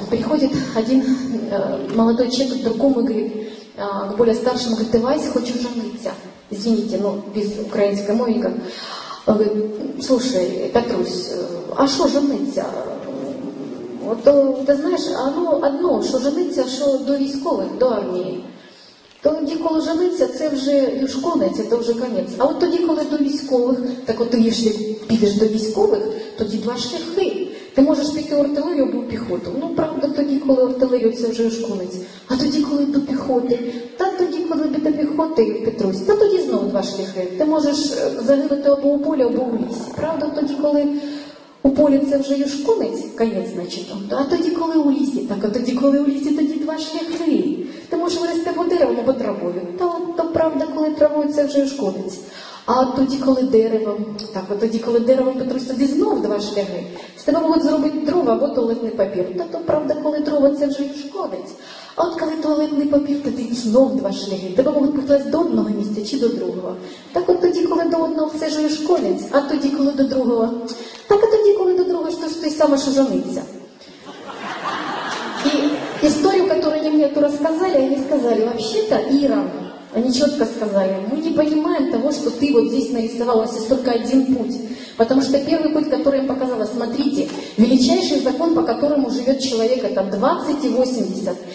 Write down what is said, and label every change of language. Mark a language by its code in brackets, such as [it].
[ru] Приходит один молодой человек к другому и говорит, к более старшему, говорит, ты, Вася, хочешь жениться? Извините, но без украинской мови. Он говорит, слушай, Петрусь, а что жениться? [uk] Вот ты знаешь, оно одно, что жениться, что до військових, до армії. То тоді, коли жениться, це вже ж конець, це вже конець. А от тоді, коли до військових, так от ти, якщо підеш до військових, тоді два шляхи. Ти можеш піти в артилерію або в піхоту. Ну, правда, тоді, коли артилерію, це вже ж конець. А тоді, коли до піхоти, та тоді, коли би до піхоти, Петрусь, та тоді знову два шляхи. Ти можеш загинути або у полі, або у лісі. Правда, тоді, коли у полі це вже ж конець, кінець, значить, а тоді, коли у лісі, так, а тоді, коли у лісі, тоді два шляхи. Ти можеш вирости по деревом або травою. То правда, коли травою це вже шкодить. А тоді, коли деревом, так, а тоді, коли деревом, Петрусь, тоді знову два шляги. З тебе можуть зробити дрова або туалетний папір. То правда, коли дрова це вже шкодить. А от коли туалетний папір, тоді знову два шляги. Тебе можуть повтати до одного місця чи до другого. Так от тоді, коли до одного все вже шкодить, а тоді, коли до другого. Так, а тоді, коли до другого, що ж той саме, що жениться. [ru] Историю, которую они мне эту рассказали, они сказали, вообще-то, Ира, они четко сказали, мы не понимаем того, что ты вот здесь нарисовала, у вас есть только один путь. Потому что первый путь, который я им показала, смотрите, величайший закон, по которому живет человек, это 20 и 80.